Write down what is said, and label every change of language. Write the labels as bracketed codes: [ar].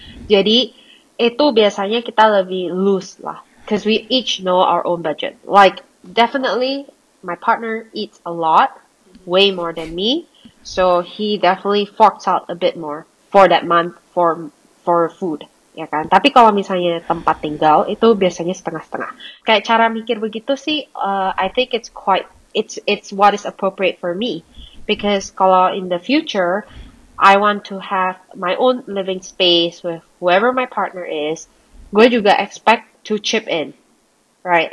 [id] Jadi itu biasanya kita lebih loose lah. [en] Because we each know our own budget. Like, definitely, my partner eats a lot, way more than me. So, he definitely forks out a bit more for that month for food. [id] Ya kan? Tapi kalau misalnya tempat tinggal, itu biasanya setengah-setengah. Kayak cara mikir begitu sih, [en] I think it's quite, it's what is appropriate for me. Because kalau in the future, I want to have my own living space with whoever my partner is, [id] gue juga [en] expect to chip in, right?